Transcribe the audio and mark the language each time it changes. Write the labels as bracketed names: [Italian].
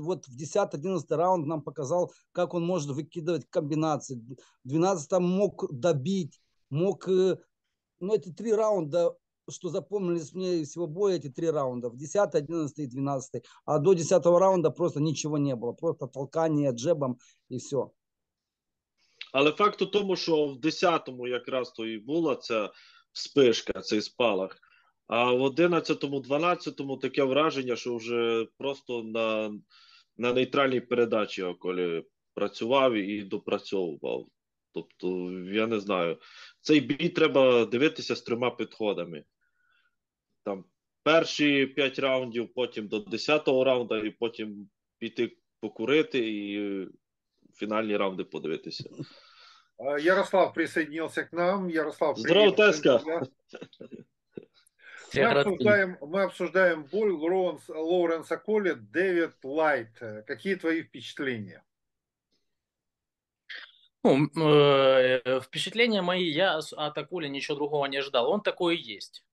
[Russian] Вроде вот в 10-11 раунд нам показал, как он может выкидывать комбинации. В 12-м мог добить, мог... Ну, эти три раунда, что запомнились мне из всего боя, эти три раунда. В 10-й, 11-й и 12-й. А до 10-го раунда просто ничего не было. Просто толкание джебом и все. [Ukrainian] Але факт у тому, що в 10-му якраз то і була ця вспишка, цей спалах. А в 11-му, 12-му таке враження, що вже просто на нейтральній передачі околі працював і допрацьовував. Тобто, я не знаю. Цей бій треба дивитися з трьома підходами. Там перші 5 раундів, потім до 10-го раунду, і потім піти покурити і фінальні раунди подивитися. [Russian] Ярослав присоединился к нам. Ярослав, здорово, привет. Теска. Все городские. мы обсуждаем боль Лоуренса Колли, Дэвид Лайт. Какие твои впечатления? Ну, впечатления мои, я от Акули ничего другого не ждал. Он такой и есть.